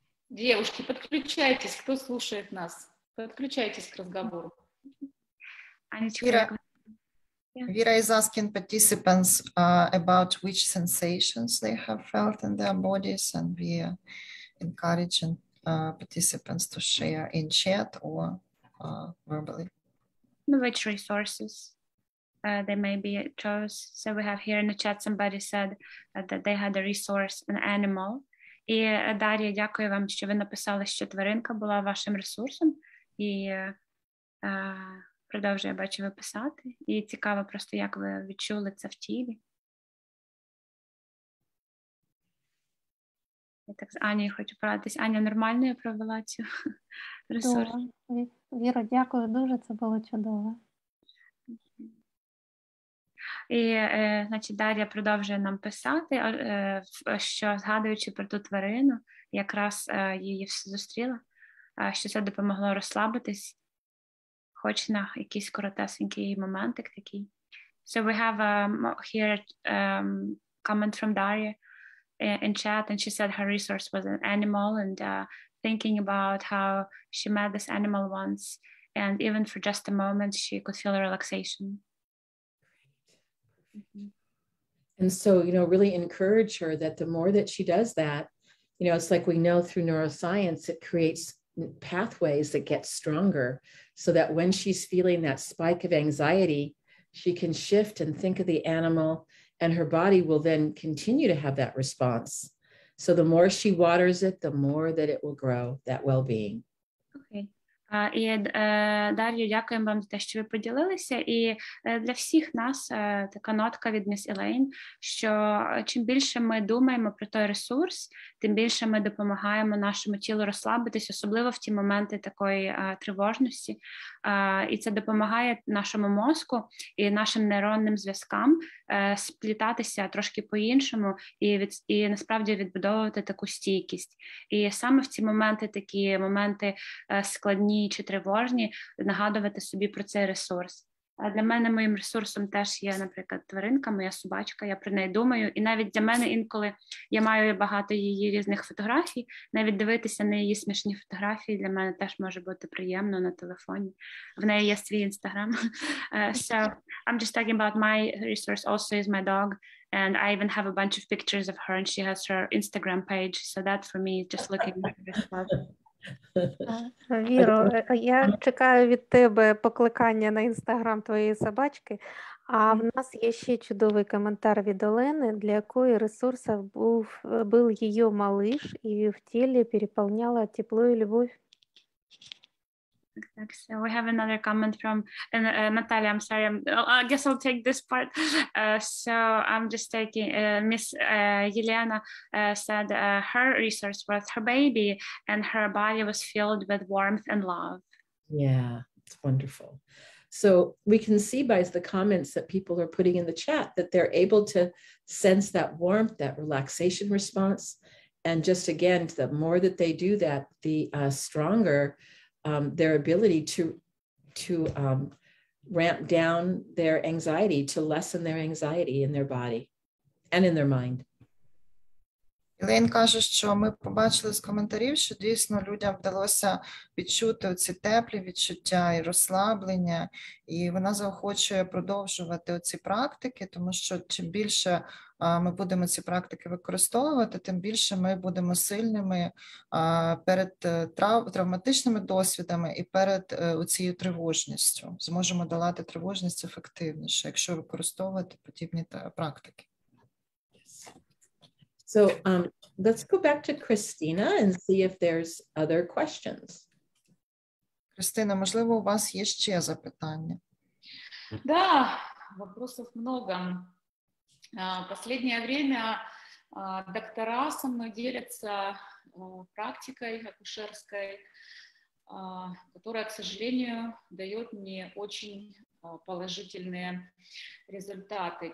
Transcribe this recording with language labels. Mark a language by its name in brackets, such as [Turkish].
[Russian] Девушки, подключайтесь, кто слушает нас. Подключайтесь к разговору. [English] Vera is asking participants about which sensations they have felt in their bodies, and we are encouraging participants to share in chat or verbally. Which resources they maybe chose. So we have here in the chat somebody said that they had a resource, an animal. [Ukrainian] І, Дар'я, дякую вам, що ви написали, що тваринка була вашим ресурсом. І продовжую, бачу, ви писати. І цікаво просто, як ви відчули це в тілі. Я так з Анією хочу порадитись. Аня, нормально я провела цю ресурс? Віра, дякую дуже, це було чудово. І, значить, Дар'я продовжує нам писати, що згадуючи про ту тварину, якраз її зустріла, що це допомогло розслабитись, хоч на якийсь коротесенький моментик такий. So we have here a comment from Дар'я in chat, and she said her resource was an animal, and thinking about how she met this animal once, and even for just a moment, she could feel a relaxation. And so, you know, really encourage her that the more that she does that, you know, it's like we know through neuroscience, it creates pathways that get stronger so that when she's feeling that spike of anxiety, she can shift and think of the animal and her body will then continue to have that response. So the more she waters it, the more that it will grow, that well-being. І, Дар'ю, дякуємо вам за те, що ви поділилися. І для всіх нас така нотка від міс Елейн, що чим більше ми думаємо про той ресурс, тим більше ми допомагаємо нашому тілу розслабитись, особливо в ті моменти такої тривожності. І це допомагає нашому мозку і нашим нейронним зв'язкам сплітатися трошки по-іншому і насправді відбудовувати таку стійкість. І саме в ці моменти, такі моменти складні чи тривожні, нагадувати собі про цей ресурс. А для мене моїм ресурсом теж є, наприклад, тваринка, моя собачка, я про неї думаю. І навіть для мене інколи, я маю багато її різних фотографій, навіть дивитися на її смішні фотографії для мене теж може бути приємно на телефоні. В неї є свій інстаграм. [English] So, I'm just talking about my resource also is my dog. And I even have a bunch of pictures of her and she has her Instagram page. So that for me, just looking at this stuff. [Ukrainian] Віро, я чекаю від тебе покликання на інстаграм твоєї собачки, а в нас є ще чудовий коментар від Олени, для якої ресурсом був її малыш і в тілі переповняла тепло і любов. Так, [English] so we have another comment from Natalia. I'm sorry, I guess I'll take this part. So I'm just taking Miss Yelena said her resource was her baby, and her body was filled with warmth and love. Yeah, it's wonderful. So we can see by the comments that people are putting in the chat that they're able to sense that warmth, that relaxation response, and just again, the more that they do that, the stronger. Their ability to ramp down their anxiety, to lessen their anxiety in their body and in their mind. [Ukrainian] Елейн каже, що ми побачили з коментарів, що дійсно людям вдалося відчути оці теплі відчуття і розслаблення, і вона заохочує продовжувати оці практики, тому що чим більше ми будемо ці практики використовувати, тим більше ми будемо сильними перед травматичними досвідами і перед оцією тривожністю. Зможемо долати тривожність ефективніше, якщо використовувати подібні практики. [English] So let's go back to Christina and see if there's other questions. [Ukrainian] Christina, можливо, у вас є ще запитання? [Russian] Да, вопросов много. Последнее время доктора со мной делятся практикой акушерской, которая, к сожалению, дает не очень положительные результаты.